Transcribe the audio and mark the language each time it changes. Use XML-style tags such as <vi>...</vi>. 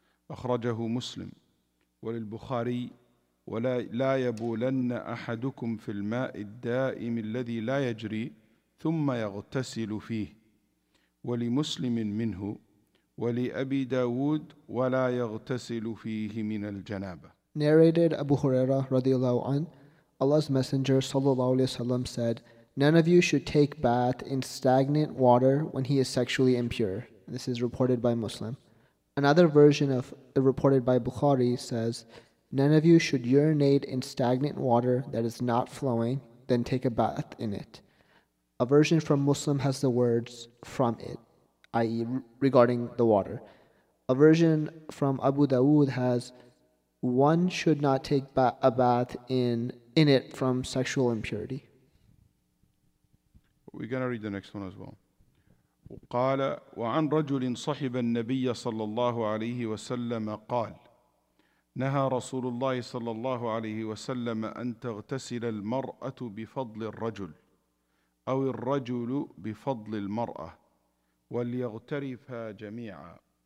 <ar>أخرجه مسلم وللبخاري ولا يبولن أحدكم في الماء الدائم الذي لا يجري ثم يغتسل فيه ولمسلم منه ولأبي داود ولا يغتسل فيه من الجنابة.</ar> <en>Narrated Abu Huraira radiallahu an, Allah's Messenger sallallahu alayhi wa sallam said, none of you should take bath in stagnant water when he is sexually impure. This is reported by Muslim. Another version of the reported by Bukhari says, none of you should urinate in stagnant water that is not flowing, then take a bath in it. A version from Muslim has the words, from it, i.e. regarding the water. A version from Abu Dawood has, one should not take a bath in it from sexual impurity. We're going to read the next one as well.</en> <ar>قال وعن رجل صحب النبي صلى الله عليه وسلم قال نهى رسول الله صلى الله عليه وسلم أن تغتسل المرأة بفضل الرجل أو الرجل بفضل المرأة وليغترفا جميعا</ar>